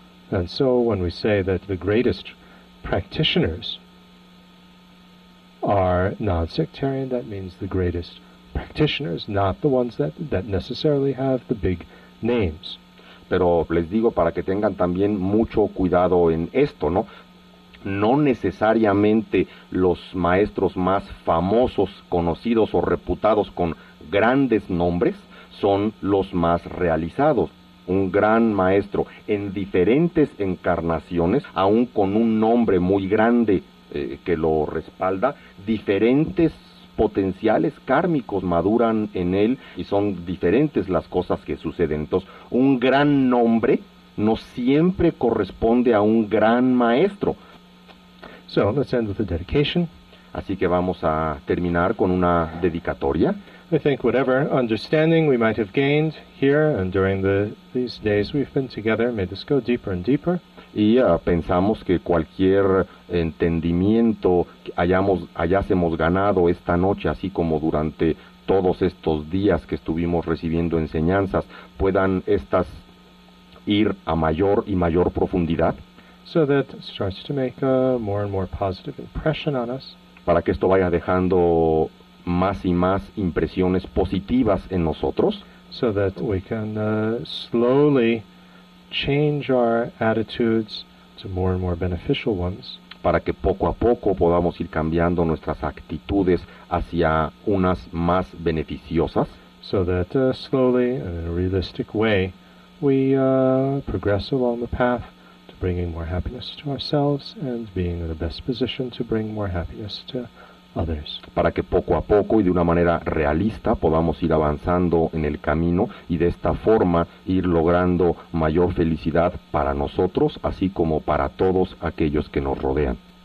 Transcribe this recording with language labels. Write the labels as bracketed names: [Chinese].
[English] And so when we say that the greatest practitioners are non-sectarian, that means the greatest practitioners, not the ones that necessarily have the big names. [Spanish] Pero les digo para que tengan también mucho cuidado en esto, ¿no? No necesariamente los maestros más famosos, conocidos o reputados con grandes nombres son los más realizados. Un gran maestro en diferentes encarnaciones, aún con un nombre muy grande que lo respalda, diferentes potenciales kármicos maduran en él y son diferentes las cosas que suceden. Entonces, un gran nombre no siempre corresponde a un gran maestro. [English] So, let's end with a dedication. [Spanish] Así que vamos a terminar con una dedicatoria. [English] I think whatever understanding we might have gained here and during these days we've been together, may this go deeper and deeper. [Spanish] Y pensamos que cualquier entendimiento que hayásemos ganado esta noche, así como durante todos estos días que estuvimos recibiendo enseñanzas, puedan estas ir a mayor y mayor profundidad. [English] So that starts to make a more and more positive impression on us. [Spanish] Para que esto vaya dejando más y más impresiones positivas en nosotros. [English] So that we can slowly change our attitudes to more and more beneficial ones. [Spanish] Para que poco a poco podamos ir cambiando nuestras actitudes hacia unas más beneficiosas. [English] So that slowly, in a realistic way, we progress along the path to bringing more happiness to ourselves and being in the best position to bring more happiness to others. [Spanish] Para que poco a poco y de una manera realista podamos ir avanzando en el camino y de esta forma ir logrando mayor felicidad para nosotros, así como para todos aquellos que nos rodean.